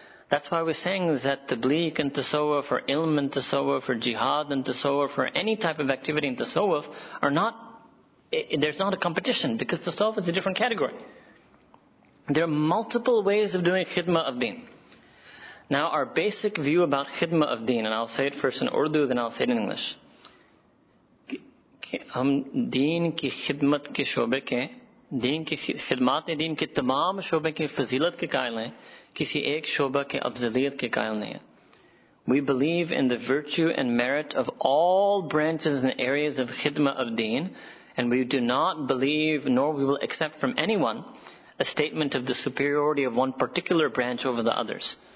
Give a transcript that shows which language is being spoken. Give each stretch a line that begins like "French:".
English: That's why we're saying is that tabliq and tasawwuf, or ilm and tasawwuf, or jihad and tasawwuf, or any type of activity in tasawwuf, are not, there's not a competition, because tasawwuf is a different category. There are multiple ways of doing khidmah of deen. Now our basic view about khidmah of deen, and I'll say it first in Urdu, then I'll say it in English.
Urdu: ہم دین کی خدمت کے شعبے کے، دین کی خدمت نے دین کے تمام شعبے کے فضیلت کے قائل ہیں، کسی ایک شعبہ کے ابزلیت کے قائل نہیں ہے.
English: We believe in the virtue and merit of all branches and areas of khidmah of deen, and we do not believe, nor we will accept from anyone, a statement of the superiority of one particular branch over the others.